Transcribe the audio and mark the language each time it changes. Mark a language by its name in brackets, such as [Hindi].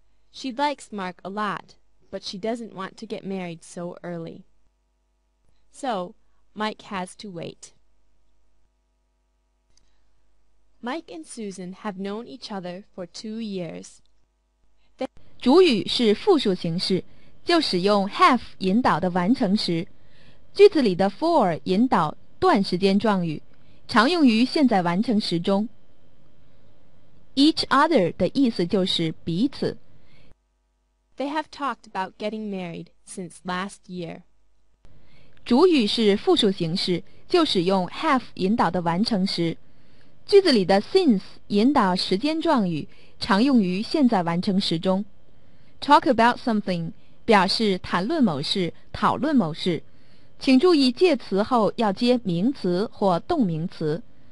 [English] She likes Mark a lot, but she doesn't want to get married so early. So, Mike has to wait. Mike and Susan have known each other for 2 years. [Chinese] 主语是复数形式，就使用 have 引导的完成时。句子里的 for 引导段时间状语，常用于现在完成时中。 Each other 的意思就是彼此。 [English] They have talked about getting married since last year. [Chinese] 主语是复数形式，就使用 have 引导的完成时。句子里的 since 引导时间状语，常用于现在完成时中。 Talk about something 表示谈论某事、讨论某事，请注意介词后要接名词或动名词。